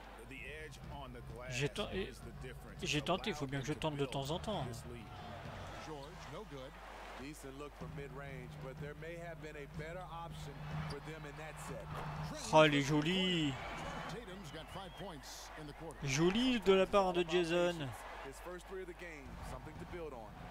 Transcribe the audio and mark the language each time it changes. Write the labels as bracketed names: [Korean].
[English] The edge on the glass is the difference. [French] J'ai tenté, il faut bien que je tente de temps en temps. [English] George, no good. Decent look for mid-range, but there may have been a better option for them in that set. [French] Oh, les jolis. [English] Tatum's got 5 points in the quarter. [French] Joli de la part de Jason. [English] His first three of the game, something to build on.